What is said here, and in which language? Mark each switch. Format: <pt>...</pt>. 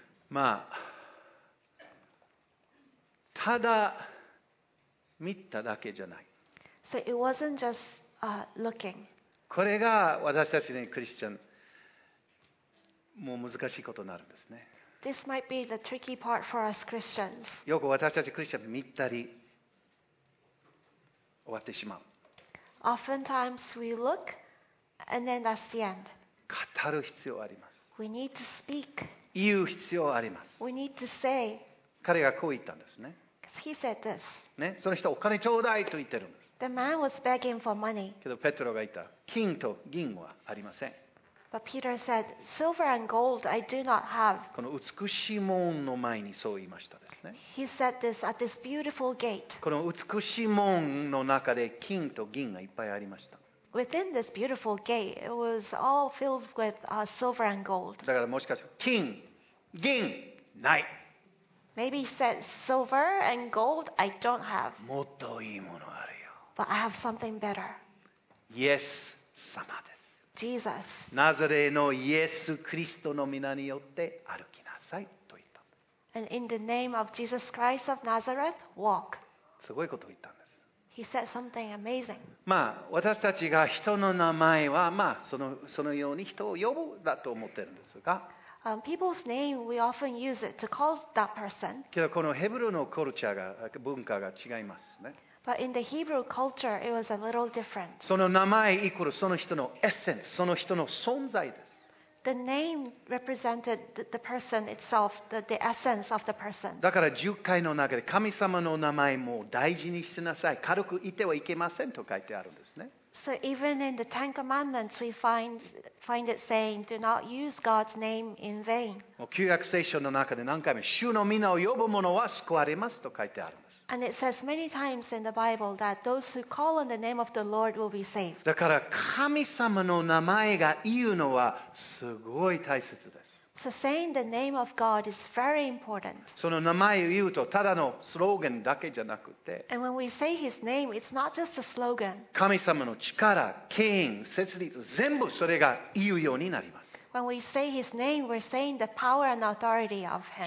<ja>まあただ見ただけじゃない。</ja> <en>So it wasn't just looking.</en> <ja>これが私たちのクリスチャンもう難しいことになるんですね。</ja> <en>This might be the tricky part for us Christians.</en> <ja>よく私たちクリスチャン見たり終わってしまう。</ja> <en>Oftentimes we look and then that's the end.</en> <ja>語る必要あります。</ja> <en>We need to speak.</en> <ja>言う必要あります。</ja> <en>We need to say.</en> <ja>彼がこう言ったんですね。</ja> <en>He said this.</en> <ja>ね、その人お金ちょうだいと言ってるんです。</ja> <en>The man was begging for money.</en> <ja>けどペトロが言った、金と銀はありません。</ja> <en>But Peter said, "Silver and gold I do not have."</en> <ja>この美しい門の前にそう言いましたですね。</ja> <en>He said this at this beautiful gate.</en> <ja>この美しい門の中で金と銀がいっぱいありました。</ja> <en>Within this beautiful gate, it was all filled with silver and gold.</en> <ja>だからもしかして金、銀ない。</ja> <en>Maybe he said, "Silver and gold I don't have."</en> <ja>もっといいものある。</ja> <en>But I have something better.</en> <ja>イエス様です。</ja> <en>Jesus.</en> <ja>ナザレのイエス・キリストの名によって歩きなさいと言った。</ja> <en>And in the name of Jesus Christ of Nazareth, walk.</en> <ja>すごいことを言ったんです。</ja> <en>He said something amazing.</en> <ja>まあ私たちが人の名前はまあそのように人を呼ぶだと思ってるんですが。</ja> <en>People's name we often use it to call that person.</en> <ja>けどこのヘブルのコルチャーが文化が違いますね。</ja> <en>But in the Hebrew culture, it was a little different.</en> <ja>その名前イコールその人のエッセンス、その人の存在です。</ja> <en>The name represented the person itself, the essence of the person.</en> <ja>だから十回の中で神様の名前も大事にしてなさい、軽くいてはいけませんと書いてあるんですね。</ja> <en>So even in the Ten Commandments, we find it saying, "Do not use God's name in vain."</en> <ja>もう旧約聖書の中で何回も主の名を呼ぶ者は救われますと書いてある。</ja> <en>And it says many times in the Bible that those who call on the name of the Lord will be saved.</en> <ja>だから神様の名前が言うのはすごい大切です。</ja> <en>So saying the name of God is very important.</en> <ja>その名前を言うとただのスローガンだけじゃなくて、</ja> <en>And when we say His name, it's not just a slogan.</en> <ja>神様の力、権威、設立、全部それが言うようになります。</ja> <en>When we say His name, we're saying the power and authority of Him.</en>